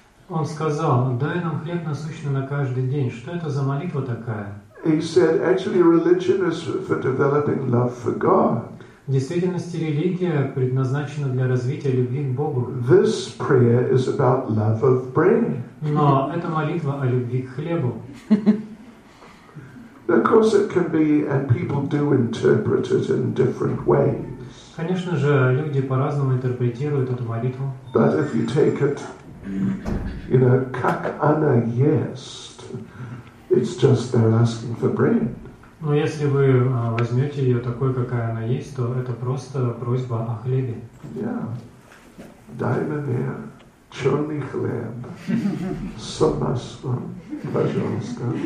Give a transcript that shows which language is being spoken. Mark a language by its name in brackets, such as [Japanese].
[Russian] Он сказал, дай нам хлеб насущный на каждый день. Что это за молитва такая? [English] He said, actually, religion is for developing love for God. [Russian] В действительности религия предназначена для развития любви к Богу. [English] This prayer is about love of bread. [Russian] Но это молитва о любви к хлебу. [English] Of course, it can be, and people do interpret it in different ways. [Russian] Конечно же, люди по-разному интерпретируют эту молитву. [English] But if you take it, you know, [Russian] как она ест, [English] it's just they're asking for bread. [Russian] Но если вы возьмете ее такой, какая она есть, то это просто просьба о хлебе. [English] Yeah. [Russian] Дай мне черный хлеб с маслом, пожалуйста.